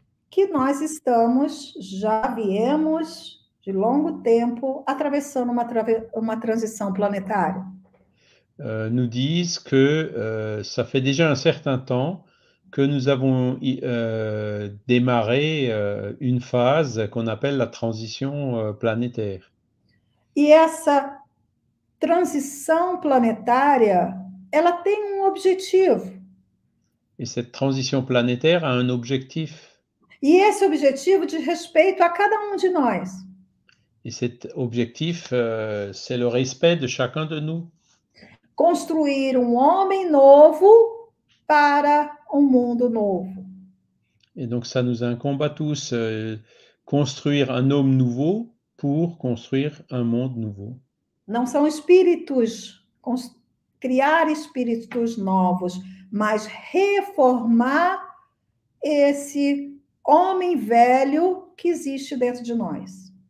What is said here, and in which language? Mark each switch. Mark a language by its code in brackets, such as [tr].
[pt] Que nós estamos, já viemos de longo tempo, atravessando uma transição planetária. [fr] Nous disent que ça fait déjà un certain temps que nous avons démarré une phase qu'on appelle la transition planétaire. [pt] E essa transição planetária, ela tem um objetivo. [fr] Et cette transition planétaire a un objectif. [pt] E esse objetivo diz respeito a cada um de nós. [fr] Et cet objectif, c'est le respect de chacun de nous. [pt] Construir um homem novo para um mundo novo. [fr] Et donc, ça nous incombe à tous, construire un homme nouveau pour construire un monde nouveau. [pt] Não são espíritos, criar espíritos novos, mas reformar esse homem velho que existe dentro de nós.